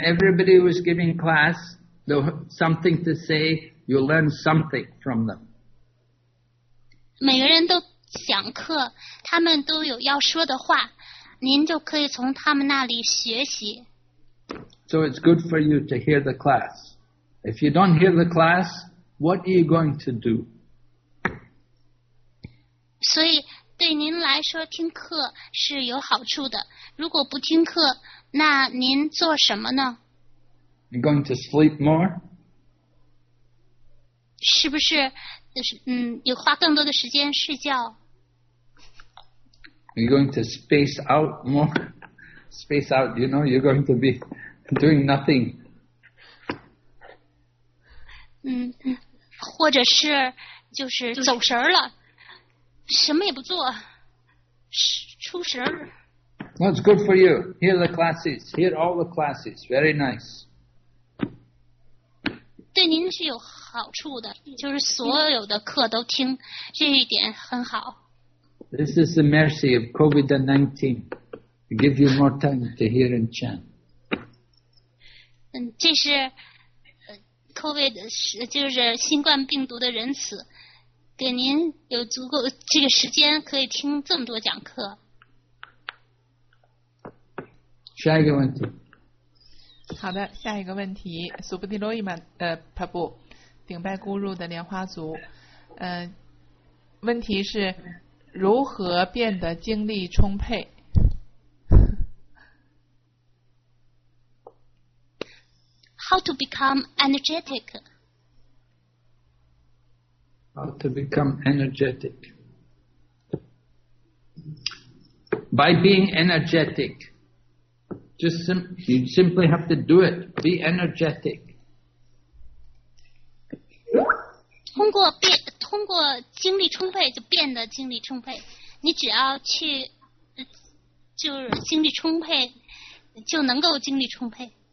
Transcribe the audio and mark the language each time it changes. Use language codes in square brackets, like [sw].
[en] everybody who is giving class, they have something to say, you learn something from them. [zh] 每个人都 讲课，他们都有要说的话，您就可以从他们那里学习。So [en] it's good for you to hear the class. If you don't hear the class, what are you going to do? [zh] 所以对您来说听课是有好处的。如果不听课，那您做什么呢？ [en] You're going to sleep more? [zh] 是不是有花更多的时间睡觉？ [en] You're going to space out more? Space out, you know, you're going to be doing nothing. [zh] 或者是就是走神了, 什么也不做, 出神。 [en] That's good for you. Hear the classes. Hear all the classes. Very nice. [zh] 对您是有好处的，就是所有的课都听，这一点很好。 [en] This is the mercy of COVID-19. To give you more time to hear and chant. [zh] 这是COVID 就是新冠病毒的仁慈，给您有足够这个时间可以听这么多讲课。下一个问题。好的，下一个问题。Subhuti Loima Prabhu， 顶拜咕噜的莲花族，问题是如何变得精力充沛？ [en] How to become energetic? How to become energetic? By being energetic, you simply have to do it. Be energetic. [zh] 通过精力充沛就变得精力充沛。你只要去，就是精力充沛，就能够精力充沛。